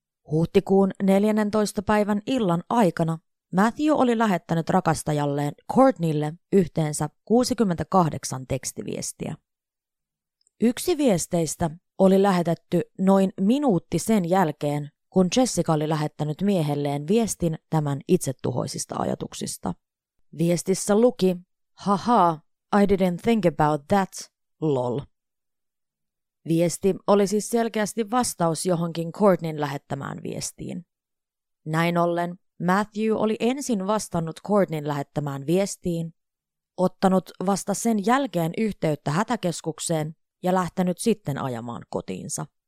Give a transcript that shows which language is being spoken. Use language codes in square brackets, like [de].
[fi] Huhtikuun 14. päivän illan aikana Matthew oli lähettänyt rakastajalleen Courtneylle yhteensä 68 tekstiviestiä. Yksi viesteistä oli lähetetty noin minuutti sen jälkeen, kun Jessica oli lähettänyt miehelleen viestin tämän itsetuhoisista ajatuksista. Viestissä luki, [en] haha, I didn't think about that, lol. [fi] Viesti oli siis selkeästi vastaus johonkin Courtneyn lähettämään viestiin. Näin ollen Matthew oli ensin vastannut Courtneyn lähettämään viestiin, ottanut vasta sen jälkeen yhteyttä hätäkeskukseen ja lähtenyt sitten ajamaan kotiinsa.